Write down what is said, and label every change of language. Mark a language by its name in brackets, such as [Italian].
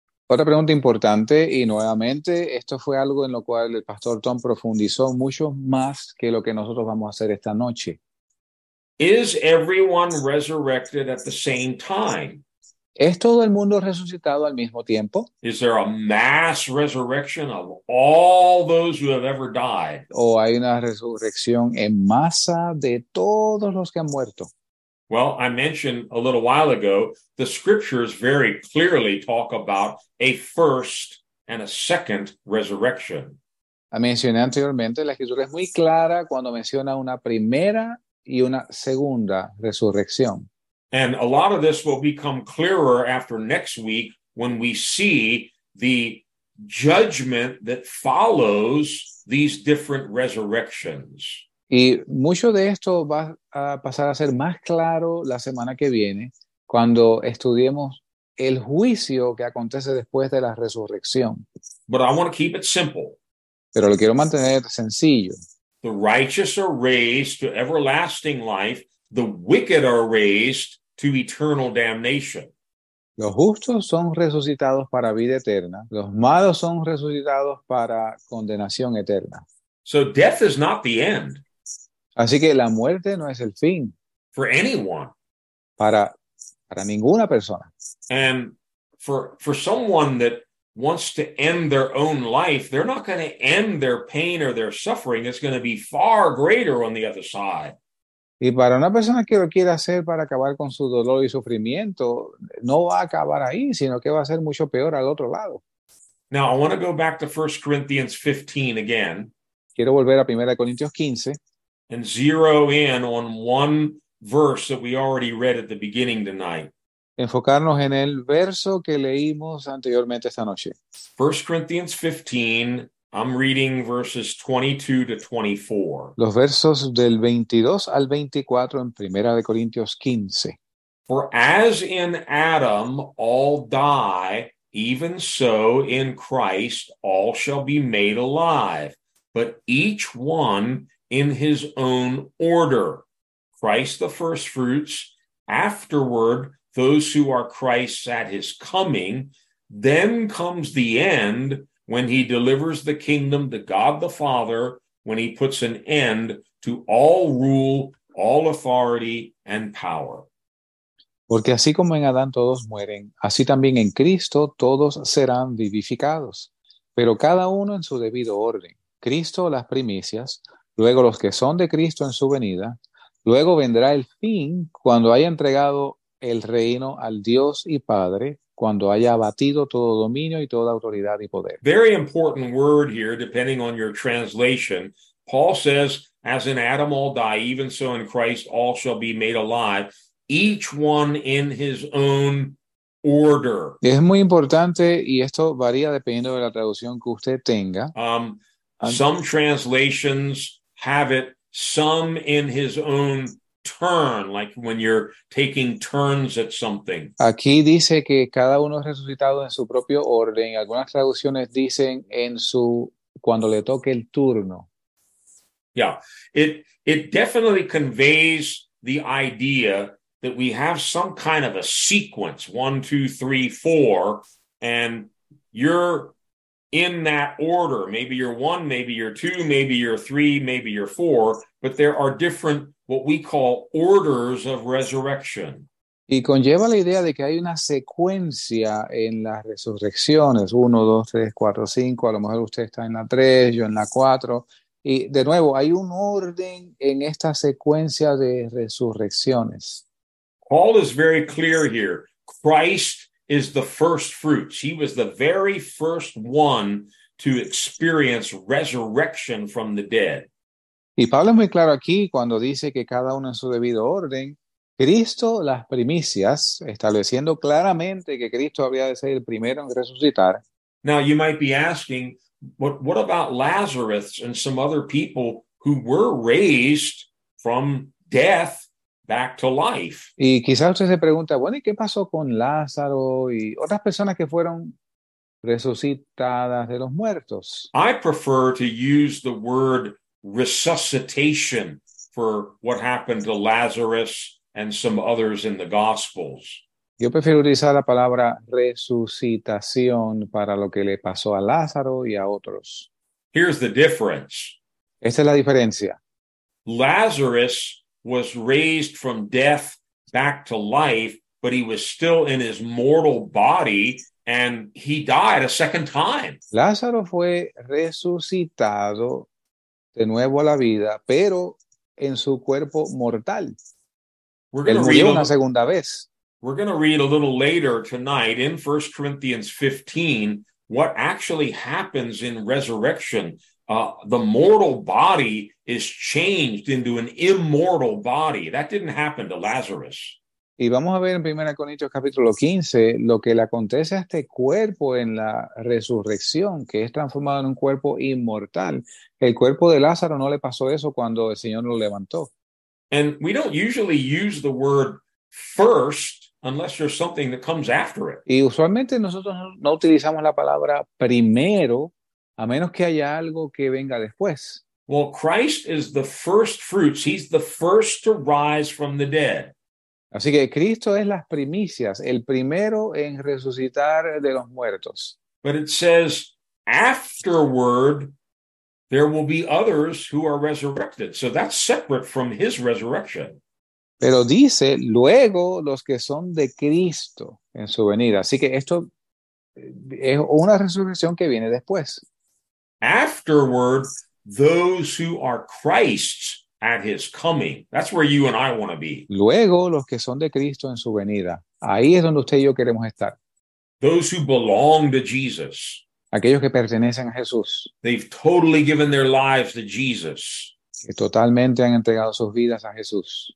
[Spanish] Otra pregunta importante, y nuevamente, esto fue algo en lo cual el Pastor Tom profundizó mucho más que lo que nosotros vamos a hacer esta noche. [English] Is everyone resurrected at the same time? [Spanish] ¿Es todo el mundo resucitado al mismo tiempo? [English] Is there a mass resurrection of all those who have ever died? [Spanish] ¿O hay una resurrección en masa de todos los que han muerto? [English] Well, I mentioned a little while ago, the scriptures very clearly talk about a first and a second resurrection. [Spanish] Mencioné anteriormente, la escritura es muy clara cuando menciona una primera y una segunda resurrección. [English] And a lot of this will become clearer after next week when we see the judgment that follows these different resurrections. [Spanish] Y mucho de esto va a pasar a ser más claro la semana que viene cuando estudiemos el juicio que acontece después de la resurrección. [English] But I want to keep it simple. [Spanish] Pero lo quiero mantener sencillo. [English] The righteous are raised to everlasting life. The wicked are raised to eternal damnation. [Spanish] Los justos son resucitados para vida eterna. Los malos son resucitados para condenación eterna. [English] So death is not the end. [Spanish] Así que la muerte no es el fin. [English] For anyone. [Spanish] Para ninguna persona. [English] And for someone that wants to end their own life, they're not going to end their pain or their suffering. It's going to be far greater on the other side. [Spanish] Y para una persona que lo quiera hacer para acabar con su dolor y sufrimiento, no va a acabar ahí, sino que va a ser mucho peor al otro lado. [English] Now, I want to go back to 1 Corinthians 15 again. [Spanish] Quiero volver a 1 Corintios 15. [English] And zero in on one verse that we already read at the beginning tonight. [Spanish] Enfocarnos en el verso que leímos anteriormente esta noche. [English] 1 Corinthians 15. I'm reading verses 22 to 24. [Spanish] Los versos del 22 al 24 en Primera de Corintios 15. [English] For as in Adam all die, even so in Christ all shall be made alive, but each one in his own order. Christ the first fruits, afterward those who are Christ's at his coming, then comes the end, when he delivers the kingdom to God the Father, when he puts an end to all rule, all authority and power. [Spanish] Porque así como en Adán todos mueren, así también en Cristo todos serán vivificados, pero cada uno en su debido orden. Cristo las primicias, luego los que son de Cristo en su venida, luego vendrá el fin cuando haya entregado el reino al Dios y Padre, cuando haya abatido todo dominio y toda autoridad y poder. [English] Very important word here, depending on your translation. Paul says, as in Adam all die, even so in Christ all shall be made alive, each one in his own order. [Spanish] Es muy importante, y esto varía dependiendo de la traducción que usted tenga. [English] Some translations have it, some in his own turn, like when you're taking turns at something. [Spanish] Aquí dice que cada uno es resucitado en su propio orden. Algunas traducciones dicen en su cuando le toque el turno. [English] Yeah, it definitely conveys the idea that we have some kind of a sequence, 1, 2, 3, 4, and you're in that order. Maybe you're 1, maybe you're 2, maybe you're 3, maybe you're 4, but there are different what we call orders of resurrection. [Spanish] Y conlleva la idea de que hay una secuencia en las resurrecciones. 1, 2, 3, 4, 5. A lo mejor usted está en la 3, yo en la 4. Y de nuevo, hay un orden en esta secuencia de resurrecciones. [English] Paul is very clear here. Christ is the first fruits. He was the very first one to experience resurrection from the dead. [Spanish] Y Pablo es muy claro aquí cuando dice que cada uno en su debido orden, Cristo las primicias, estableciendo claramente que Cristo había de ser el primero en resucitar. [English] Now you might be asking, what about Lazarus and some other people who were raised from death back to life? [Spanish] Y quizás usted se pregunta, bueno, ¿y qué pasó con Lázaro y otras personas que fueron resucitadas de los muertos? [English] I prefer to use the word resuscitation for what happened to Lazarus and some others in the Gospels. [Spanish] Yo prefiero utilizar la palabra resucitación para lo que le pasó a Lázaro y a otros. [English] Here's the difference. [Spanish] Esta es la diferencia. [English] Lazarus was raised from death back to life but he was still in his mortal body, and he died a second time. [Spanish] Lázaro fue resucitado de nuevo a la vida, pero en su cuerpo mortal. Él murió una segunda vez. [English] We're going to read a little later tonight in 1 Corinthians 15 what actually happens in resurrection. The mortal body is changed into an immortal body. That didn't happen to Lazarus. [Spanish] Y vamos a ver en 1 Corintios capítulo 15 lo que le acontece a este cuerpo en la resurrección, que es transformado en un cuerpo inmortal. El cuerpo de Lázaro no le pasó eso cuando el Señor lo levantó. [English] And we don't usually use the word first unless there's something that comes after it. [Spanish] Y usualmente nosotros no utilizamos la palabra primero a menos que haya algo que venga después. [English] Well, Christ is the first fruits. He's the first to rise from the dead. [Spanish] Así que Cristo es las primicias, el primero en resucitar de los muertos. [English] But it says afterward there will be others who are resurrected. So that's separate from his resurrection. [Spanish] Pero dice luego los que son de Cristo en su venida. Así que esto es una resurrección que viene después. [English] Afterward, those who are Christ's at his coming. That's where you and I want to be. [Spanish] Luego los que son de Cristo en su venida. Ahí es donde usted y yo queremos estar. [English] Those who belong to Jesus. [Spanish] Aquellos que pertenecen a Jesús. [English] They've totally given their lives to Jesus. [Spanish] Que totalmente han entregado sus vidas a Jesús.